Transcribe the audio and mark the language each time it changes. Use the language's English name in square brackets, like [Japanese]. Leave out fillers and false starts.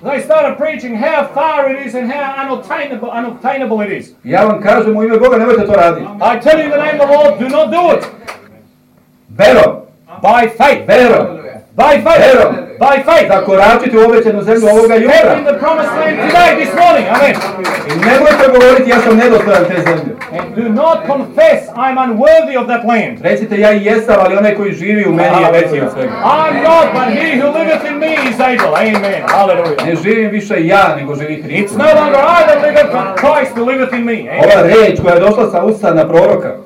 [English] They started preaching how far it is and how unobtainable it is. [Serbian] Ja vam kažem u ime Boga, nemojte to raditi. [English] I tell you in the name of the Lord, do not do it. [Serbian] Verom. [English] By faith. [Serbian] Verom. [English] By faith. [Serbian] Verom. [English] By faith. [Serbian] Zakoračite u obećanu zemlju ovoga jutra. [English] Step in the promised land today, this morning. Amen. [Serbian] I nemojte govoriti ja sam nedostojan te zemlje. [English] And do not confess I'm unworthy of that land. [Serbian] Recite ja jesam, ali onaj koji živi u meni je veći od svega. [English] I'm not, but he who liveth in me is able. Amen. Hallelujah. [Serbian] Ne živim više ja, nego živi Hrist. [English] It's no longer I that liveth, but Christ who liveth in me. Amen. [Serbian] Ova reč koja je došla sa usana proroka.